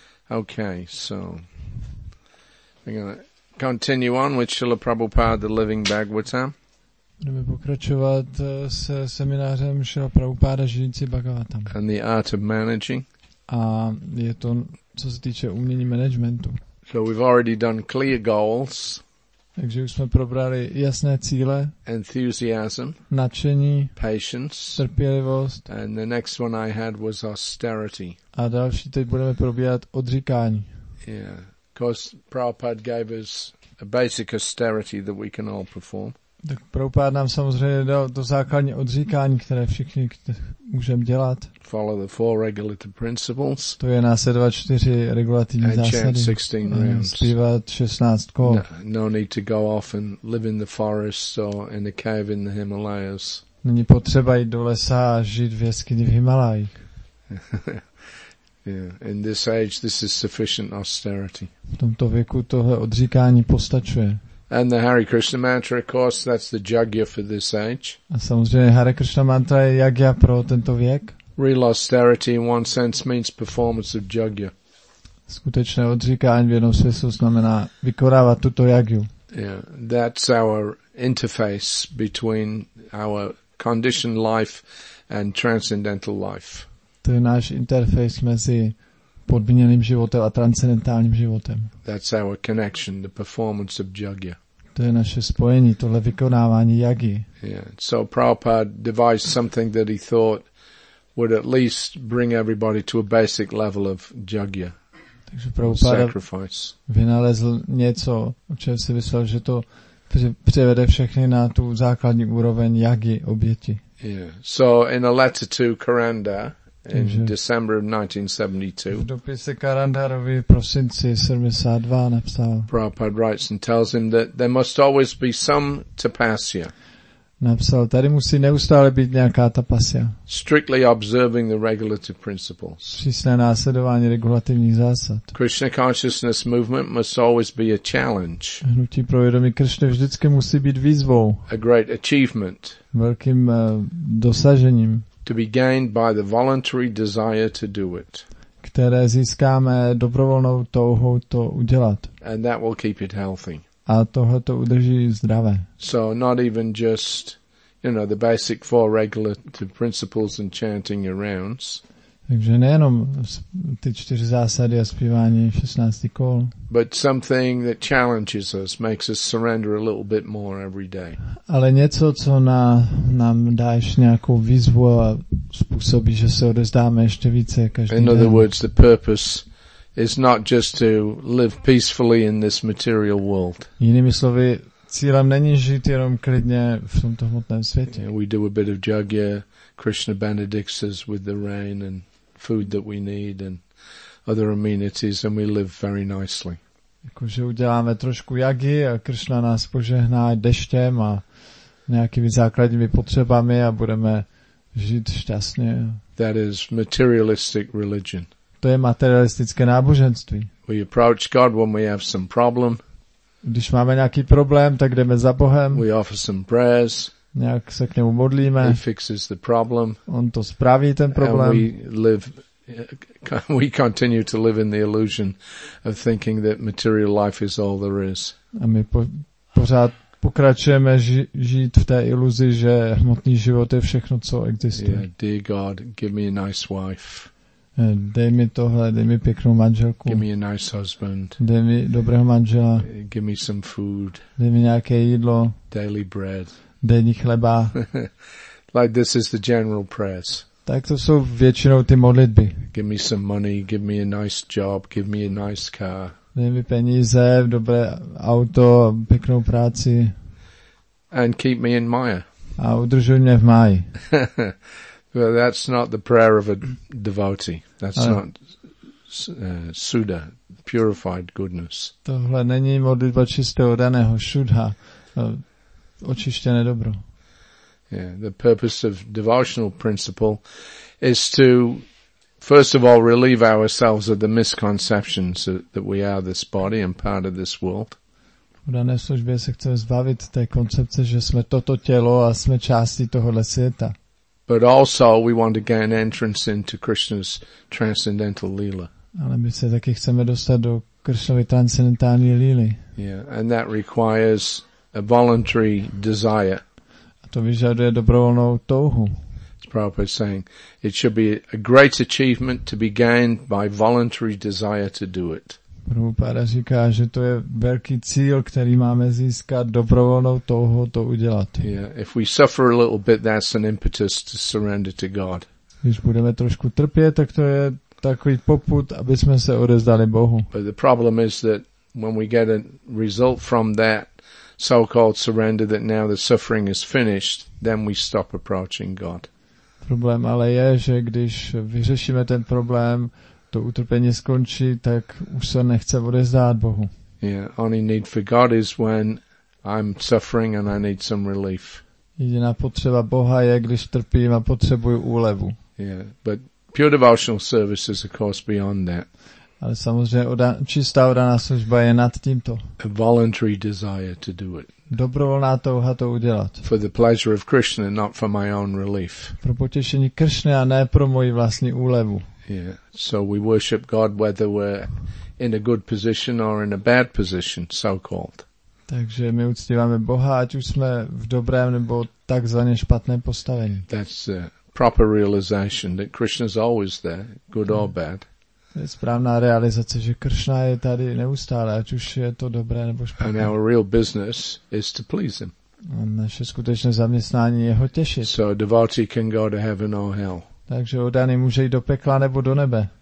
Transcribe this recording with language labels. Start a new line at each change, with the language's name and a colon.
English: Okay, so we're going to continue on with Srila Prabhupada, the living Bhagavatam.
Czech: Budeme pokračovat se seminářem Srila Prabhupada, žijící Bhagavatam.
English: And the art of managing.
Czech: A je to, co se týče umění managementu.
English: So we've already done clear goals.
Czech: Takže už jsme probrali jasné cíle.
English: Enthusiasm.
Czech: Nadšení.
English: Patience.
Czech: Trpělivost.
English: And the next one I had was austerity.
Czech: A další teď budeme probírat odříkání.
English: Yeah. Because Prabhupada gave us a basic austerity that we can all perform.
Czech: Tak Prabhupada nám samozřejmě dal to základní odříkání, které všichni můžeme dělat.
English: Follow the four regulative principles.
Czech: To je následovat čtyři regulativní zásady.
English: And chant 16 rounds.
Czech: Zpívat 16 kol.
English: No need to go off and live in the forest or in a cave in the Himalayas.
Czech: Není potřeba jít do lesa a žít v jeskyni v Himalajích.
English: Yeah. In this age, this is sufficient austerity.
Czech: V tomto věku tohle odříkání postačuje.
English: And the Hare Krishna mantra, of course, that's the jagya for this age.
Czech: A samozřejmě Hare Krishna mantra je jagya pro tento věk.
English: Real austerity, in one sense, means performance of jagya.
Czech: Skutečné odříkání v jednom smyslu znamená vykonávat tuto jagyu.
English: Yeah, that's our interface between our conditioned life and transcendental life.
Czech: To je náš interfejs mezi podmíněným životem a transcendentálním životem.
English: That's our connection, the performance of jagya.
Czech: To je naše spojení, tohle vykonávání jagy.
English: Yeah. So Prabhupada devised something that he thought would at least bring everybody to a basic level of jagya.
Czech: Takže Prabhupada vynalezl něco, o čem si myslel, že to přivede všechny na tu základní úroveň jagy, oběti.
English: Yeah. So in a letter to Karanda, in December of 1972.
Czech: V dopise Karandharovi v prosinci 72 napsal.
English: Prabhupada writes and tells him that there must always be some tapasya.
Czech: Napsal, tady musí neustále být nějaká tapasya.
English: Strictly observing the regulative principles.
Czech: Přísné následování regulativních zásad.
English: Krishna consciousness movement must always be a challenge.
Czech: Hnutí pro vědomí Krishna vždycky musí být výzvou.
English: A great achievement.
Czech: Velkým dosažením.
English: To be gained by the voluntary desire to do it.
Czech: Které získáme dobrovolnou touhou to udělat.
English: And that will keep it healthy.
Czech: A tohle to udrží zdravé.
English: So not even just, you know, the basic four regulative principles and chanting your rounds.
Czech: Takže nejenom ty čtyři zásady a zpívání 16 kol.
English: But something that challenges us, makes us surrender a little bit more every day.
Czech: Ale něco, co nám dá ještě nějakou výzvu a způsobí, že se odezdáme ještě více každý den.
English: In other words, the purpose is not just to live peacefully in this material world.
Czech: Jinými slovy, cílem není žít jenom klidně v tomto hmotném světě.
English: We do a bit of jagya, Krishna benedicts us with the rain and food that we need and other amenities and we live very nicely.
Czech: Jakože uděláme trošku jagy a Krishna nás požehná deštěm a nějakými základními potřebami a budeme žít šťastně.
English: That is materialistic religion.
Czech: To je materialistické náboženství.
English: We approach God when we have some problem.
Czech: Když máme nějaký problém, tak jdeme za Bohem.
English: We offer some prayers.
Czech: Nějak se k němu modlíme.
English: He fixes the problem.
Czech: On to spraví ten problém.
English: And we continue to live in the illusion of thinking that material life is all there is.
Czech: A my pořád pokračujeme žít v té iluzi, že hmotný život je všechno, co existuje.
English: Yeah, dear God, give me a nice wife.
Czech: Dej mi tohle, dej mi pěknou manželku.
English: Give me a nice husband.
Czech: Dej mi dobrého manžela.
English: Give me some food.
Czech: Dej mi nějaké jídlo.
English: Daily bread.
Czech: Denní chleba.
English: Like this is the general prayers.
Czech: Tak to jsou většinou ty modlitby.
English: Give me some money, give me a nice job, give me a nice car.
Czech: Dej mi peníze, dobré auto, pěknou práci.
English: And keep me in Maya.
Czech: A udržuj mě v Maji.
English: Well, that's not the prayer of a devotee. That's
Czech: ale
English: not Suddha, purified goodness.
Czech: Tohle není modlitba čistého daného, Suddha, očištěné dobro.
English: Yeah, the purpose of devotional principle is to, first of all, relieve ourselves of the misconceptions that we are this body and part of this world.
Czech: V dané službě se chceme zbavit té koncepce, že jsme toto tělo a jsme částí tohohle světa.
English: But also we want to gain entrance into Krishna's transcendental lila.
Czech: Ale my se taky chceme dostat do Krishnovy transcendentální líly.
English: Yeah, and that requires a voluntary desire.
Czech: To vyžaduje dobrovolnou touhu.
English: It's Prabhupada saying it should be a great achievement to be gained by voluntary desire to do it.
Czech: Prabhupada říká, že to je velký cíl, který máme získat dobrovolnou touhu to udělat.
English: Yeah, if we suffer a little bit, that's an impetus to surrender to God.
Czech: Když budeme trošku trpět, tak to je takový poput, aby jsme se odezdali Bohu.
English: But the problem is that when we get a result from that so-called surrender, that now the suffering is finished, then we stop approaching God.
Czech: Problém ale je, že když vyřešíme ten problém, to utrpení skončí, tak už se nechce odezdát Bohu.
English: Yeah, only need for God is when I'm suffering and I need some relief.
Czech: Jediná potřeba Boha je, když trpím a potřebuju úlevu.
English: Yeah, but pure devotional service is of course beyond that.
Czech: Ale samozřejmě čistá odaná služba je nad tímto.
English: A voluntary desire to do it.
Czech: Dobrovolná touha to udělat.
English: For the pleasure of Krishna, not for my own relief.
Czech: Pro potěšení Krishny a ne pro moji vlastní úlevu.
English: Yeah. So we worship God whether we're in a good position or in a bad position, so called.
Czech: Takže my uctíváme Boha, ať už jsme v dobrém nebo takzvaně špatném postavení.
English: That's a proper realization that Krishna's always there, good or bad.
Czech: To je správná realizace, že Kršna je tady neustále, ať už je to dobré nebo špatné.
English: And our real business is to please him.
Czech: A naše skutečné zaměstnání je ho těšit.
English: So a devotee can go to heaven or hell.
Czech: Takže oddaný může jít do pekla nebo do nebe.